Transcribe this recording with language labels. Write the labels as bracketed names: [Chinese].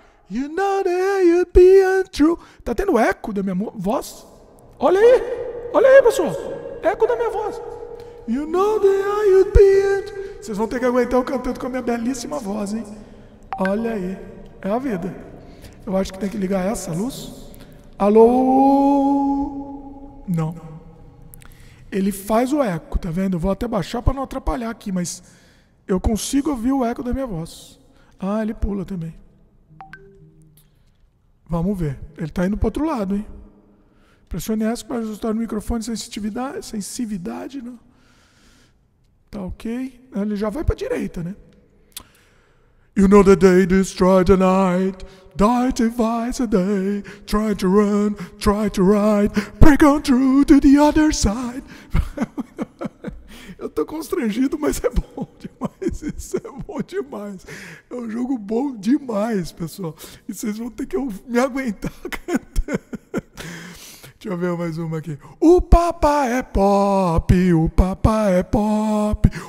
[English] You know that you'd be untrue. [Portuguese] Tá tendo eco da minha voz? Olha aí. Olha aí, pessoal. Eco da minha voz. [English] You know that I would be it. [Portuguese] Vocês vão ter que aguentar eu cantando com a minha belíssima voz, hein? Olha aí. É a vida. Eu acho que tem que ligar essa luz. Alô? Não. Ele faz o eco, tá vendo? Vou até baixar pra não atrapalhar aqui, mas eu consigo ouvir o eco da minha voz. Ah, ele pula também. Vamos ver. Ele tá indo pro outro lado, hein? Pressione ESC para ajustar o microfone, sensibilidade, não. Tá ok. Ele já vai para a direita, né? [English] You know the day destroyed the night. Die device a day. Try to run, try to ride. Break on through to the other side. [Portuguese] Eu tô constrangido, mas é bom demais. Isso é bom demais. É um jogo bom demais, pessoal. E vocês vão ter que me aguentar cantando. Deixa eu ver mais uma aqui. O papa é pop, o papa é pop.